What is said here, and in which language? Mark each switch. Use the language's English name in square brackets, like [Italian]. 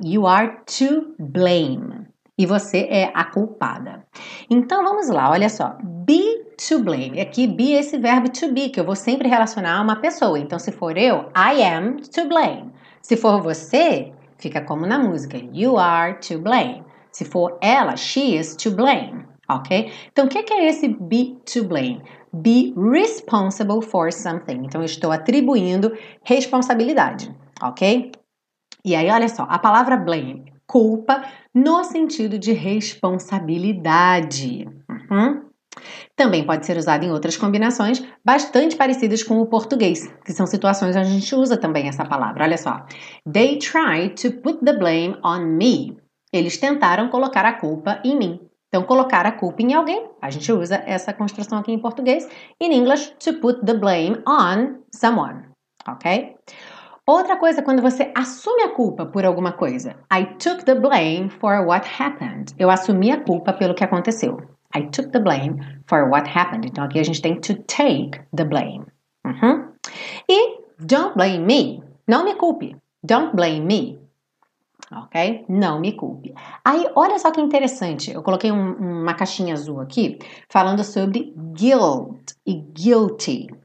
[English] You are to blame. [Portuguese] E você é a culpada. Então, vamos lá, olha só. Be to blame. Aqui, be é esse verbo to be, que eu vou sempre relacionar a uma pessoa. Então, se for eu, [English] I am to blame. [Portuguese] Se for você, fica como na música. [English] You are to blame. [Portuguese] Se for ela, [English] she is to blame. Ok? [Portuguese] Então, o que é esse be to blame? [English] Be responsible for something. [Portuguese] Então, eu estou atribuindo responsabilidade. Ok? E aí, olha só. A palavra blame, culpa, no sentido de responsabilidade. Também pode ser usado em outras combinações bastante parecidas com o português, que são situações onde a gente usa também essa palavra. Olha só. [English] They tried to put the blame on me. [Portuguese] Eles tentaram colocar a culpa em mim. Então, colocar a culpa em alguém, a gente usa essa construção aqui em português. [English] In English, to put the blame on someone. Ok? [Portuguese] Outra coisa, quando você assume a culpa por alguma coisa. [English] I took the blame for what happened. [Portuguese] Eu assumi a culpa pelo que aconteceu. [English] I took the blame for what happened. [Portuguese] Então, aqui a gente tem [English] to take the blame. [Portuguese] E [English] don't blame me. [Portuguese] Não me culpe. [English] Don't blame me. [Portuguese] Ok? Não me culpe. Aí, olha só que interessante. Eu coloquei uma caixinha azul aqui, falando sobre guilt e guilty.